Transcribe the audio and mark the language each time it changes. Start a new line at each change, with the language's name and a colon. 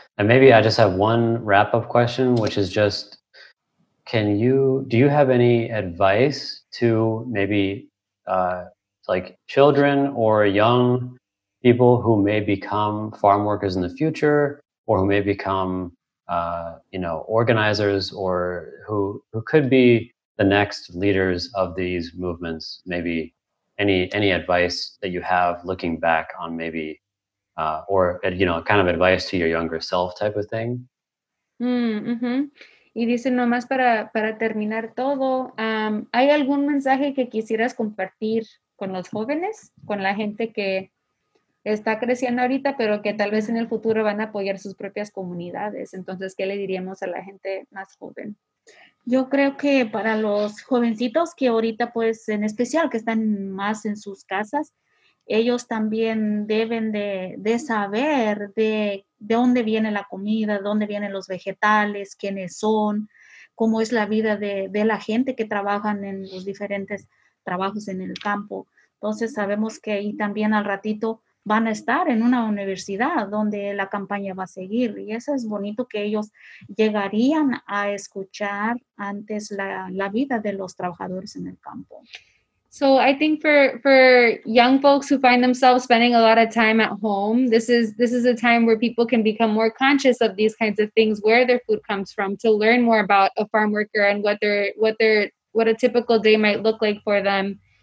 English: And maybe I just have one wrap up question, which is just, do you have any advice to maybe like children or young people who may become farm workers in the future, or who may become organizers, or who could be the next leaders of these movements? Maybe any advice that you have looking back on maybe, kind of advice to your younger self type of thing?
Spanish: Y dice nomás para terminar todo, ¿hay algún mensaje que quisieras compartir con los jóvenes, con la gente que está creciendo ahorita, pero que tal vez en el futuro van a apoyar sus propias comunidades? Entonces, ¿qué le diríamos a la gente más joven? Yo creo que para los jovencitos que ahorita, pues, en especial, que están más en sus casas, ellos también deben de saber de dónde viene la comida, dónde vienen los vegetales, quiénes son, cómo es la vida de la gente que trabajan en los diferentes trabajos en el campo. Entonces, sabemos que ahí también al ratito van a estar en una universidad donde la campaña va a seguir. Y eso es bonito, que ellos llegarían a escuchar antes la vida de los trabajadores en el campo.
English: So I think for young folks who find themselves spending a lot of time at home, this is a time where people can become more conscious of these kinds of things, where their food comes from, to learn more about a farm worker and what a typical day might look like for them.